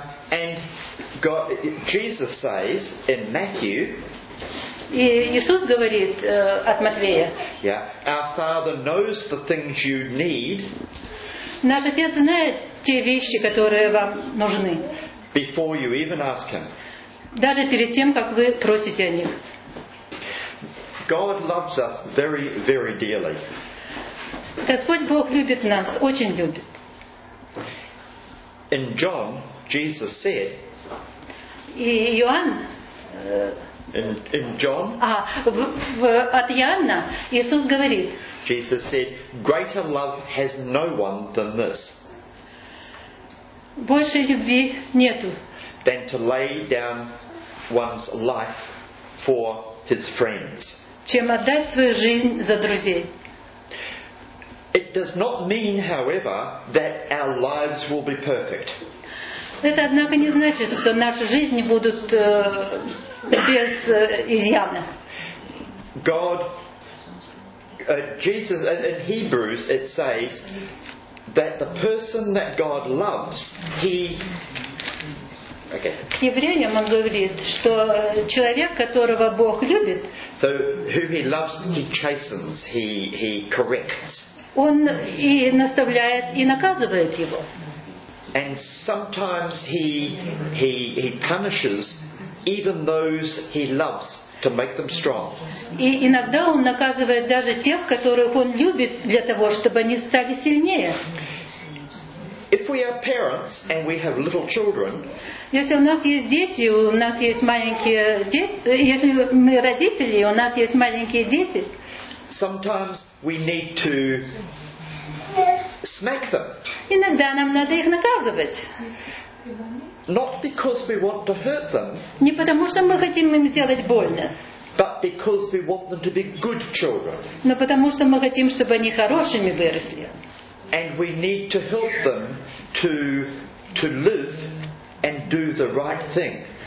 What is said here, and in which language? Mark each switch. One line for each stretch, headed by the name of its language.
English: And God, Jesus says in Matthew,
Russian: и Иисус говорит от Матвея,
English: yeah, our Father knows the things you need.
Russian: Наш Отец знает те вещи, которые вам нужны.
English: before you even ask him.
Russian: Даже перед тем, как вы просите о них.
English: God loves us very, very dearly.
Russian: Господь Бог любит нас, очень любит.
English: In John, Jesus said.
Russian: И Иоанн.
English: In John.
Russian: А от Иоанна Иисус говорит.
English: Jesus said, "Greater love has no one than this."
Russian: Больше любви нету.
English: Than to lay down one's life for his friends.
Russian: Чем отдать свою жизнь за друзей.
English: It does not mean, however, that our lives will be perfect.
Russian: Это, однако, не значит, что наши жизни будут без изъяна.
English: God, Jesus, in Hebrews it says that the person that God loves, he...
Russian: К евреям он говорит, что человек, которого Бог любит,
English: so who he loves, he chastens, he corrects.
Russian: Он и наставляет, и наказывает его.
English: And sometimes he punishes even those he loves to make them strong.
Russian: И иногда он наказывает даже тех, которых он любит, для того, чтобы они стали сильнее.
English: If we are parents and we have little children,
Russian: если у нас есть дети, у нас есть маленькие дети, если мы родители, у нас есть маленькие дети,
English: sometimes we need to smack them.
Russian: Иногда нам надо их наказывать.
English: Not because we want to hurt them.
Russian: Не потому что мы хотим им сделать больно.
English: But because we want them to be good children.
Russian: Но потому что мы хотим, чтобы они хорошими выросли.
English: And we need to help them to live and do the right thing.